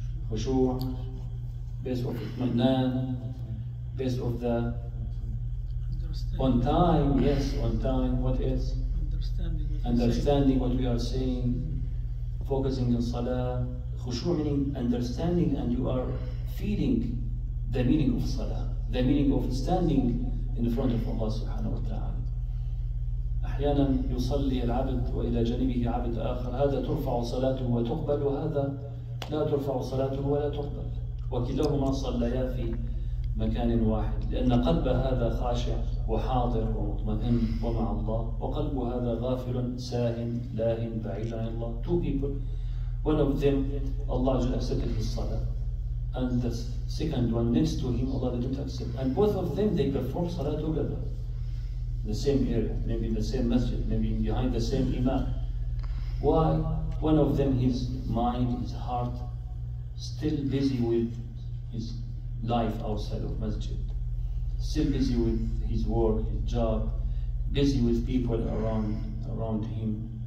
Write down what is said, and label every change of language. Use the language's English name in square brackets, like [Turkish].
[English] Khushu', based of manan, based of the on time, yes, on time, what is understanding what we are saying, focusing on salah, khushu' meaning understanding, and you are feeling the meaning of salah, the meaning of standing in front of Allah subhanahu wa ta'ala. [Arabic] أحيانا يصلي العبد وإلى جانبه عبد آخر، هذا ترفع صلاته وتقبل وهذا لا ترفع صلاته ولا تقبل، وكلاهما صليا في مكان واحد، لأن قلب هذا خاشع وحاضر ومطمئن ومع الله، وقلب هذا غافل ساهٍ لاهٍ بعيد عن الله. [English] Two people, one of them Allah just accepted his salah, and the second one next to him Allah didn't accept, and both of them they perform salah together, the same area, maybe in the same masjid, maybe behind the same imam. Why? One of them, his mind, his heart, still busy with his life outside of masjid, still busy with his work, his job, busy with people around him.